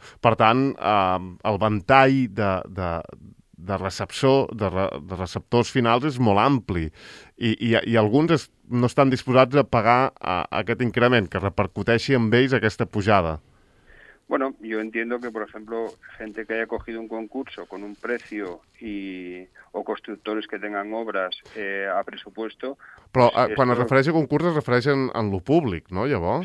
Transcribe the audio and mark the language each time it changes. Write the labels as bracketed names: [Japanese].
[Catalan] Per tant, el ventall de receptors finals és molt ampli i alguns no estan disposats a pagar aquest increment, que repercuteixi en ells aquesta pujada. [Spanish] Bueno, yo entiendo que, por ejemplo, gente que haya cogido un concurso con un precio o constructores que tengan obras a presupuesto... [Catalan] Però quan es refereix a concurs es refereix en lo públic, no, llavors?